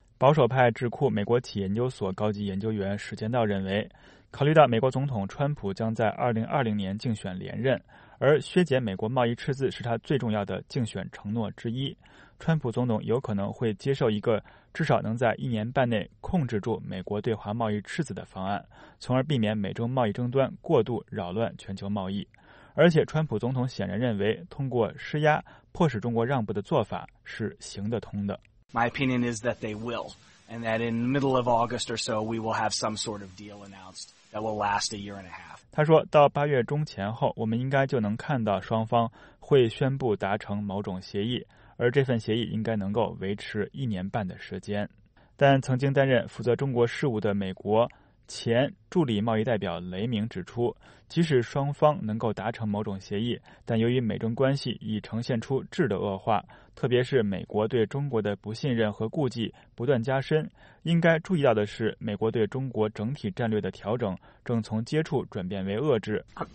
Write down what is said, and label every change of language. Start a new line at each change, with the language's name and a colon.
Chinese: 保守派智库美国企业研究所高级研究员史坚道认为，考虑到美国总统川普将在2020年竞选连任，而削减美国贸易赤字是他最重要的竞选承诺之一，川普总统有可能会接受一个至少能在一年半内控制住美国对华贸易赤字的方案，从而避免美中贸易争端过度扰乱全球贸易。而且川普总统显然认为，通过施压迫使中国让步的做法是行得通的。
English: My opinion is that they will, and that in the middle of August or so, we will have some sort of deal announced that will last a year and a half.
Chinese: 他说，到八月中前后，我们应该就能看到双方会宣布达成某种协议，而这份协议应该能够维持一年半的时间。但曾经担任负责中国事务的美国前助理贸易代表雷明指出，即使双方能够达成某种协议，但由于美中关系已呈现出质的恶化，特别是美国对中国的不信任和顾忌不断加深，应该注意到的是，美国对中国整体战略的调整正从接触转变为遏制。